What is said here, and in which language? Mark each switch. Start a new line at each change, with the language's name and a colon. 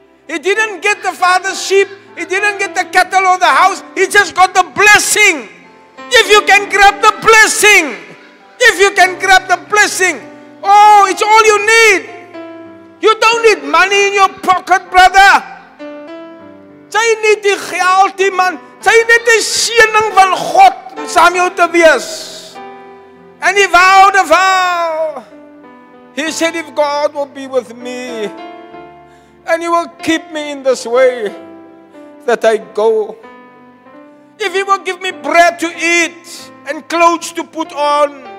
English: He didn't get the father's sheep. He didn't get the cattle or the house. He just got the blessing. If you can grab the blessing. If you can grab the blessing. Oh, it's all you need. You don't need money in your pocket, brother.
Afrikaans: Jy need die geld, man. Jy need die seëning van God om saam jou te wees.
English: And he vowed a vow. He said, if God will be with me, and he will keep me in this way that I go. If he will give me bread to eat and clothes to put on,